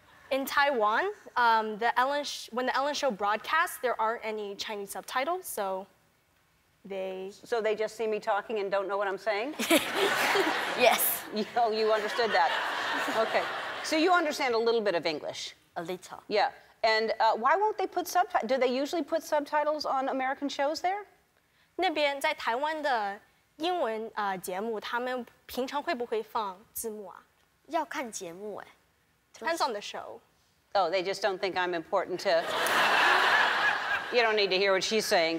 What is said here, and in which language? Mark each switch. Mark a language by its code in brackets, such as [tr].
[en] In Taiwan, when the Ellen Show broadcasts, there aren't any Chinese subtitles, so they... So they just see me talking and don't know what I'm saying? Yes. You understood that. Okay. So you understand a little bit of English? A little. Yeah. And why won't they put subtitles? Do they usually put subtitles on American shows there? [zh] 那边在台湾的英文节目，他们平常会不会放字幕啊？要看节目哎。 [en] Depends on the show. Oh, they just don't think I'm important to... You don't need to hear what she's saying.